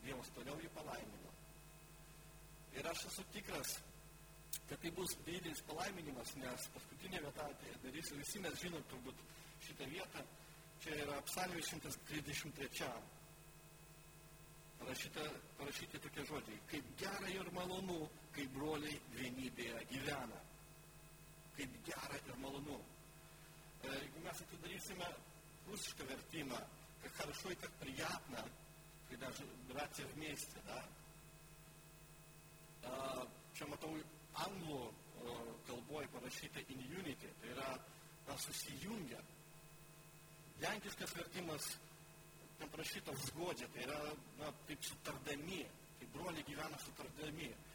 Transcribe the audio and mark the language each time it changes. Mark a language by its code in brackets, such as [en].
[lt] Dievas toliau jį palaimino. Ir aš esu tikras, kad tai bus didelis palaiminimas, nes paskutinė vieta atėjo. Visi mes žinom turbūt šitą vietą. Čia yra Psalmė 133. Parašyti tokie žodžiai. Kaip gera ir malonu, kai broliai vienybėje gyvena. Kaip gera ir malonu. Jeigu mes atidarysime rusišką vertimą, kaip [ru] хорошо и как приятно, когда братья вместе, [lt] да? Čia matau anglų kalboje parašyta [en] in unity, [lt] tai yra na, susijungia. Lenkiškas vertimas ten parašyta vzgodė, tai yra na, taip sutardami, kaip broliai gyvena sutardami.